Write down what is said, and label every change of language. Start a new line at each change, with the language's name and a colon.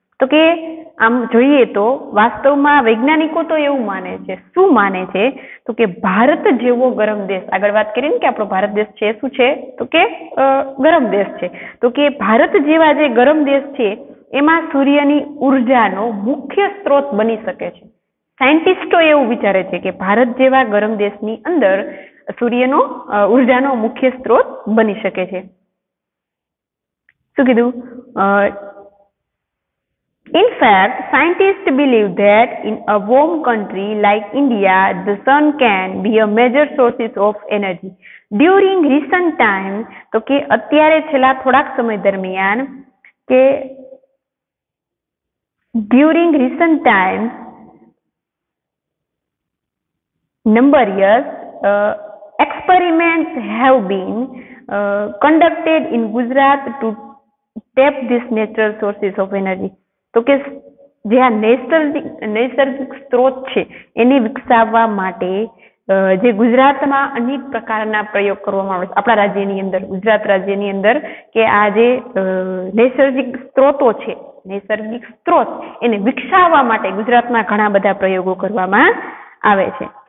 Gujarati: તો કે આમ જોઈએ તો વાસ્તવમાં વૈજ્ઞાનિકો તો એવું માને છે, શું માને છે તો કે ભારત જેવો ગરમ દેશ, આગળ વાત કરીને કે આપણો ભારત દેશ છે શું છે તો કે ગરમ દેશ છે, તો કે ભારત જેવા જે ગરમ દેશ છે એમાં સૂર્યની ઉર્જાનો મુખ્ય સ્ત્રોત બની શકે છે. સાયન્ટિસ્ટો એવું વિચારે છે કે ભારત જેવા ગરમ દેશની અંદર સૂર્યનો ઉર્જાનો મુખ્ય સ્ત્રોત બની શકે છે. શું કીધું?
English: In fact, scientists believe that in a warm country like India, the sun can be a major source of energy. During recent time,
Gujarati: તો કે અત્યારે છેલ્લા થોડાક સમય દરમિયાન કે
English: during recent time, number of years, experiments have been conducted in Gujarat to tap this natural sources of energy.
Gujarati: તો કે જે આ નૈસર્ગિક સ્ત્રોત છે એને વિકસાવવા માટે જે ગુજરાતમાં અનેક પ્રકારના પ્રયોગ કરવામાં આવે છે આપણા રાજ્યની અંદર, ગુજરાત રાજ્યની અંદર, કે આ જે નૈસર્ગિક સ્ત્રોતો છે, નૈસર્ગિક સ્ત્રોત એને વિકસાવવા માટે ગુજરાતમાં ઘણા બધા પ્રયોગો કરવામાં આવે છે.